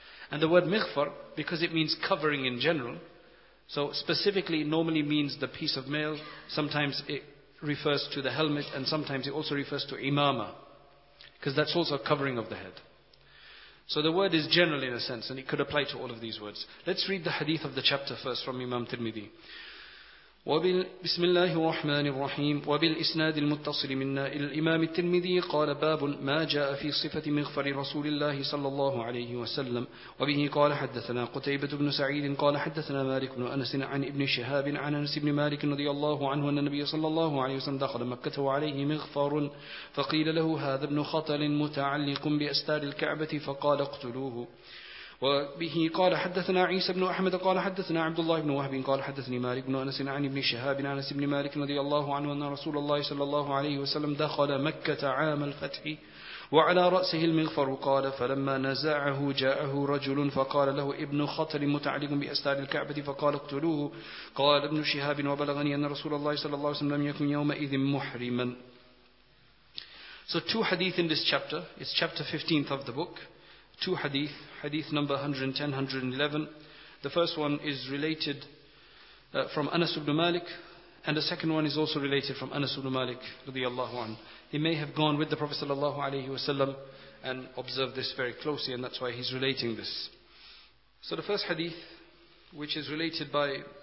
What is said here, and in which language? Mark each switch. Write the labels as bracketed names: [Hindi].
[English] And the word mighfar, because it means covering in general, so specifically it normally means the piece of mail, sometimes it refers to the helmet, and sometimes it also refers to imama, because that's also a covering of the head. So the word is general in a sense, and it could apply to all of these words. Let's read the hadith of the chapter first from Imam Tirmidhi. [Arabic] بسم الله الرحمن الرحيم وبالإسناد المتصل منا إلى الإمام الترمذي قال باب ما جاء في صفة مغفر رسول الله صلى الله عليه وسلم وبه قال حدثنا قتيبة بن سعيد قال حدثنا مالك بن أنس عن ابن شهاب عن أنس بن مالك رضي الله عنه أن النبي صلى الله عليه وسلم دخل مكة وعليه مغفر فقيل له هذا ابن خطل متعلق بأستار الكعبة فقال اقتلوه وبه قال حدثنا عيسى بن أحمد قال حدثنا عبد الله بن وهب قال حدثني مالك بن أنس عن ابن شهاب عن أنس بن مالك رضي الله عنه أن رسول الله صلى الله عليه وسلم دخل مكة عام الفتح وعلى رأسه المغفر قال فلما نزعه جاءه رجل فقال له ابن خطل متعلق بأستار الكعبة فقال اقتلوه قال ابن شهاب وبلغني أن رسول الله صلى الله عليه وسلم لم يكن يومئذ محرما. [English] So two hadith in this chapter. It's chapter 15th of the book. Two hadith, hadith number 110, 111. The first one is related from Anas ibn Malik, and the second one is also related from Anas ibn Malik radiallahu anhu. He may have gone with the Prophet sallallahu alaihi wasallam and observed this very closely, and that's why he's relating this. So the first hadith, which is related by